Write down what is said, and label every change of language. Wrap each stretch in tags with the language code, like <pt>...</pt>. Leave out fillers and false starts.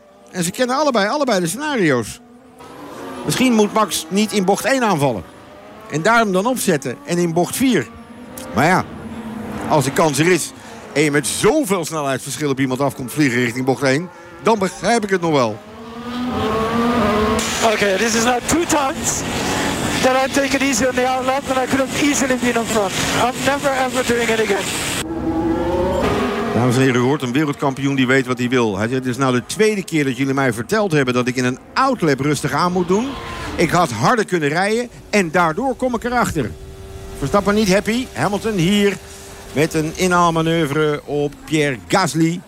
<nl>En ze kennen allebei de scenario's. Misschien moet Max niet in bocht 1 aanvallen. En daarom dan opzetten en in bocht 4. Maar ja, als de kans er is en je met zoveel snelheidsverschil op iemand afkomt vliegen richting bocht 1... dan begrijp ik het nog wel.</nl> <en>Oké, okay, this is now 2 times that I've taken easy on the outlap and I could have easily been on front. I'm never ever doing it again.</en> <nl>Dames en heren, u hoort een wereldkampioen die weet wat hij wil. Het is nou de tweede keer dat jullie mij verteld hebben dat ik in een outlap rustig aan moet doen. Ik had harder kunnen rijden en daardoor kom ik erachter. Verstappen niet happy. Hamilton hier met een inhaalmanoeuvre op Pierre Gasly.</nl>